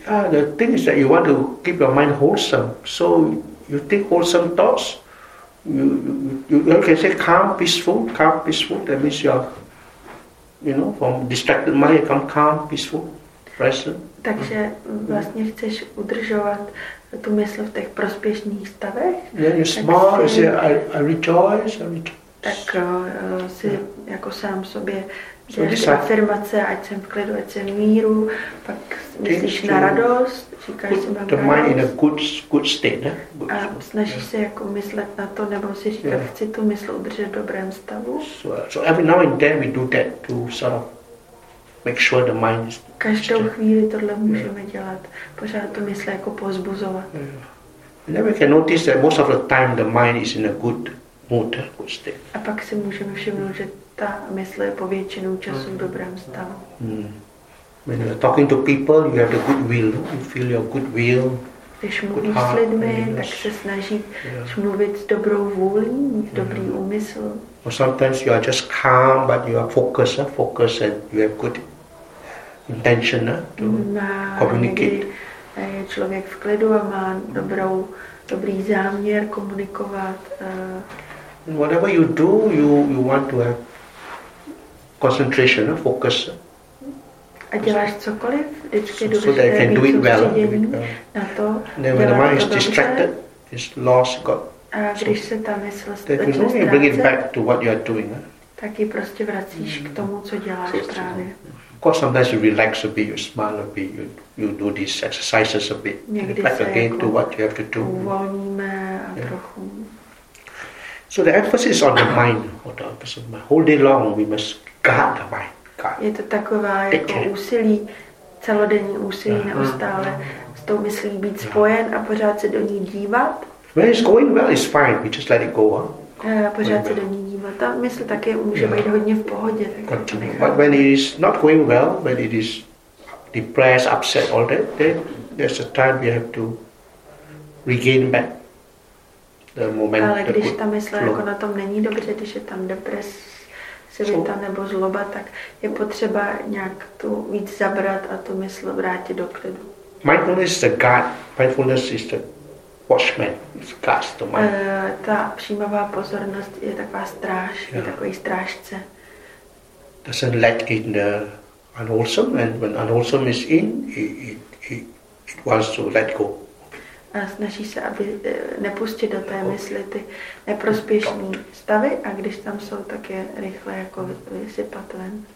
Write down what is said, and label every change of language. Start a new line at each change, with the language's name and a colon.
English: the thing is that you want to keep your mind wholesome, so you think wholesome thoughts, you can say calm peaceful, that means you are, you know, from distracted mind you come calm peaceful present.
Czech: Takže vlastně chceš udržovat tu mysl v těch prospěšných stavech.
English: Then you smile, you say, I rejoice.
Czech: Tak si jako sám sobě děláš afirmace, ať jsem v klidu, ať jsem v míru, pak myslíš na radost, říkáš si mám
English: to mind in a good state. Good
Czech: a snažíš se jako myslet na to, nebo si říkat, chci tu mysl udržet v dobrém stavu.
English: So every now and then we do that to sort of make sure the mind is
Czech: každou chvíli tohle můžeme dělat. Pořád to mysl jako pozbuzovat.
English: Then we can notice that most of the time the mind is in a good mood, a good state.
Czech: A pak si můžeme všimnout, že ta mysl je po většinu času v dobrém stavu.
English: When you are talking to people, you have the good will. You feel your good will.
Czech: Když mluvíš s lidmi, tak se snažíš mluvit s dobrou vůlí, dobrý úmysl.
English: Or sometimes you are just calm, but you are focused, focused, and you have good intention to communicate.
Czech: A je člověk v klidu a má dobrý záměr komunikovat.
English: Whatever you do, you want to have concentration, focus.
Czech: A děláš cokoliv, vždycky důležité být soustředěný na to.
English: Then when the mind is distracted, it's lost, got.
Czech: A když se ta mysl ztrácí, tak ji prostě vracíš k tomu, co děláš právě.
English: Of course, sometimes you relax a bit, you smile a bit, you do these exercises a bit. Reflect again to what you have to do.
Czech: Trochu.
English: So the emphasis on the mind, or the emphasis on the mind. Whole day long, we must guard the mind.
Czech: Je to taková jako úsilí, celodenní úsilí neustále s tou myslí být spojen a pořád se do ní dívat.
English: When it's going well, it's fine. We just let it go.
Czech: Pořád se do ní dívat. Ta mysl také může být hodně v pohodě.
English: But when it is not going well, when it is depressed, upset, all that, then there's a time we have to regain back the momentum.
Czech: Ale když ta mysl jako na tom není dobře, když je tam depresivita nebo zloba, tak je potřeba nějak tu víc zabrat a tu mysl vrátit do klidu.
English: Mindfulness is the guard. Mindfulness is the watchman, guards the mind.
Czech: Ta přijímavá pozornost je taková stráž, je takový strážce.
English: Doesn't let in the unwholesome, and when unwholesome is in, it wants to let go.
Czech: A snaží se, aby nepustit do té mysli ty neprospěšné stavy, a když tam jsou, tak je rychle jako vysypat ven.